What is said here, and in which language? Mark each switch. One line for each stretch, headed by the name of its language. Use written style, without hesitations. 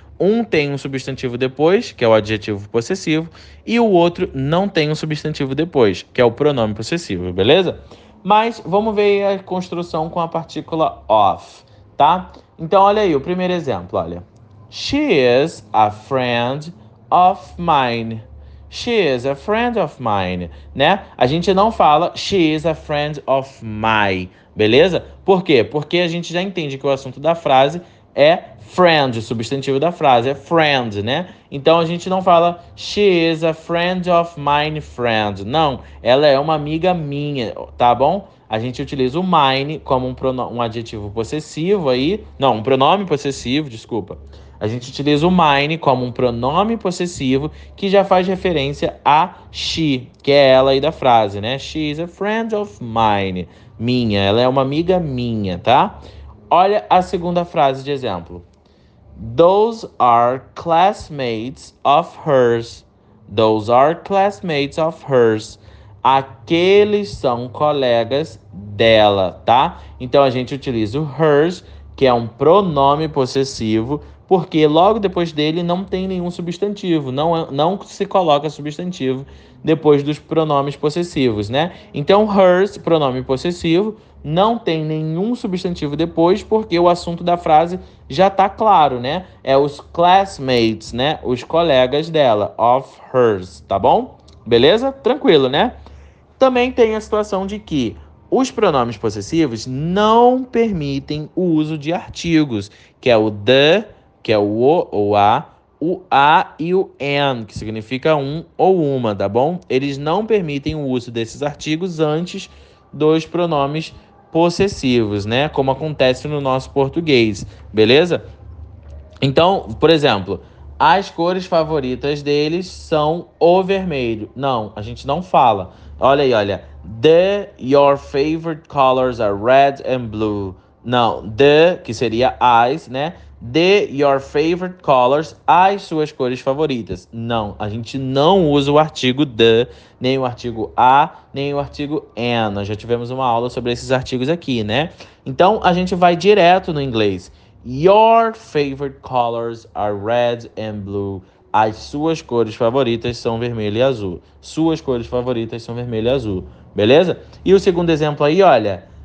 Portuguese: Um tem um substantivo depois, que é o adjetivo possessivo, e o outro não tem um substantivo depois, que é o pronome possessivo, beleza? Mas vamos ver aí a construção com a partícula of, tá? Então, olha aí o primeiro exemplo, olha.
English: She is a friend of mine. She is a friend of mine, né?
Portuguese: A gente não fala
English: she is a friend of my,
Portuguese: beleza? Por quê? Porque a gente já entende que o assunto da frase é friend, o substantivo da frase é friend, né? Então a gente não fala
English: she is a friend of mine friend.
Portuguese: Não, ela é uma amiga minha, tá bom? A gente utiliza o mine como um adjetivo possessivo aí. Não, um pronome possessivo, desculpa. A gente utiliza o mine como um pronome possessivo que já faz referência a she, que é ela aí da frase, né?
English: She is a friend of mine.
Portuguese: Minha, ela é uma amiga minha, tá? Olha a segunda frase de exemplo.
English: Those are classmates of hers. Those are classmates of hers.
Portuguese: Aqueles são colegas dela, tá? Então a gente utiliza o hers, que é um pronome possessivo, porque logo depois dele não tem nenhum substantivo, não se coloca substantivo depois dos pronomes possessivos, né? Então hers, pronome possessivo, não tem nenhum substantivo depois, porque o assunto da frase já está claro, né? É os classmates, né? Os colegas dela,
English: of hers,
Portuguese: tá bom? Beleza? Tranquilo, né? Também tem a situação de que os pronomes possessivos não permitem o uso de artigos, que é o the, que é o a, o a e o an, que significa um ou uma, tá bom? Eles não permitem o uso desses artigos antes dos pronomes possessivos, né? Como acontece no nosso português, beleza? Então, por exemplo, as cores favoritas deles são o vermelho. Não, a gente não fala. Olha aí, olha.
English: Your favorite colors are red and blue.
Portuguese: Não, que seria as, né?
English: Your favorite colors,
Portuguese: as suas cores favoritas. Não, a gente não usa o artigo the, nem o artigo a, nem o artigo and. Nós já tivemos uma aula sobre esses artigos aqui, né? Então, a gente vai direto no inglês.
English: Your favorite colors are red and blue.
Portuguese: As suas cores favoritas são vermelho e azul. Suas cores favoritas são vermelho e azul. Beleza? E o segundo exemplo aí, olha.